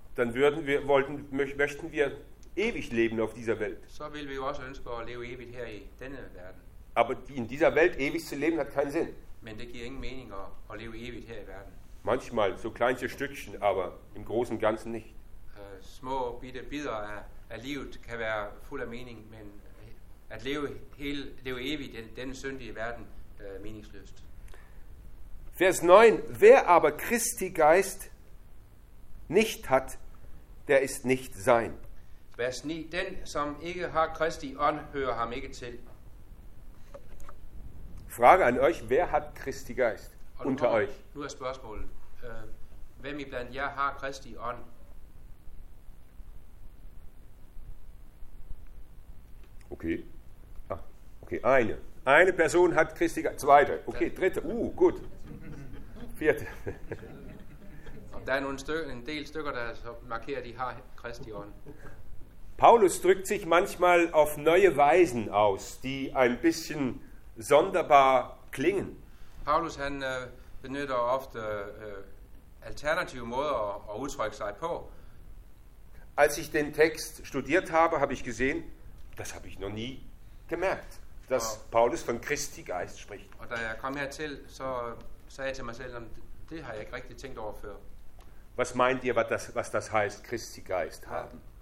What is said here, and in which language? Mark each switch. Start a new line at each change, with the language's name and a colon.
German: dann würden wir möchten wir ewig leben auf dieser Welt.
Danish: Så vil vi også ønske at leve evigt her i denne verden.
German: Aber in dieser Welt ewig zu leben hat keinen Sinn.
Danish: Men det giver ingen mening at leve evigt her i verden.
German: Manchmal so kleinste Stückchen, aber im großen Ganzen nicht.
Danish: Små bitte bidder af livet kan være fuld af mening, men at leve evigt i denne syndige verden er meningsløst.
German: Vers 9. Wer aber Christi Geist nicht hat, der ist nicht sein.
Danish: Vers 9. Den, som ikke har Christi ånd, hører ham ikke til.
German: Frage an euch, wer hat Christi Geist unter euch?
Danish: Nu er spørgsmålet. Hvem iblandt jer har Christi ånd?
German: Okay. Ah, okay, eine. Eine Person hat Christi Geist. Zweite. Okay, dritte. Gut. Vierte. Und da er nun ein Teil Stücker, der markiert, die
Danish: har Christi ånd.
German: Paulus drückt sich manchmal auf neue Weisen aus, die ein bisschen sonderbar klingen.
Danish: Paulus han benytter ofte alternative måder at udtrykke sig på.
German: Als ich den Text studiert habe, habe ich gesehen, das habe ich noch nie gemerkt, dass Paulus von Christi Geist spricht.
Danish: Og da jeg kom hertil, så sagde jeg til mig selv, det har jeg ikke rigtig tænkt over før.
German: Was meint ihr, was das heißt, Christi Geist haben?